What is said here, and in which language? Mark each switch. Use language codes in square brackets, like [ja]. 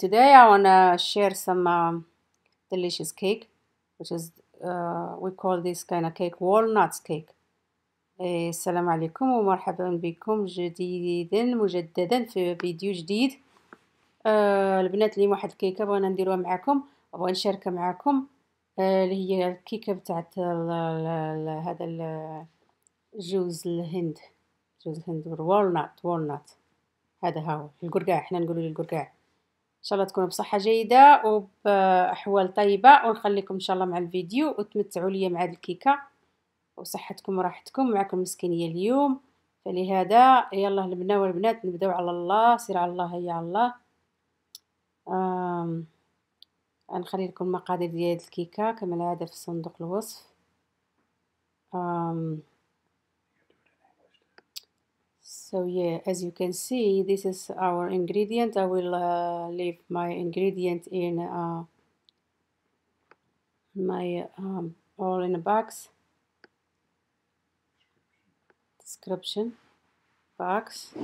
[en] Today I want to share some delicious cake, which is we call this kind of cake walnut cake. [ar] السلام عليكم ومرحبا بكم جديدا مجددا في فيديو جديد. البنات اللي واحد الكيكه بغينا نديروها معكم وبغينا نشاركها معكم اللي هي الكيكه بتاعت هذا الجوز الهند. جوز الهند والوالنات. والنات هذا هو القرقاع، احنا نقولوا له القرقاع. ان شاء الله تكونوا بصحه جيده وباحوال طيبه، ونخليكم ان شاء الله مع الفيديو وتمتعوا لي مع هذه الكيكه وصحتكم وراحتكم. معكم مسكينيه اليوم، فلهذا يلا البنات والبنات نبداو على الله. سير على الله، هيا على الله. نخلي لكم المقادير ديال هذه الكيكه كما العاده في صندوق الوصف. [en] So yeah, as you can see, this is our ingredient. I will leave my ingredient in my all in a box description box.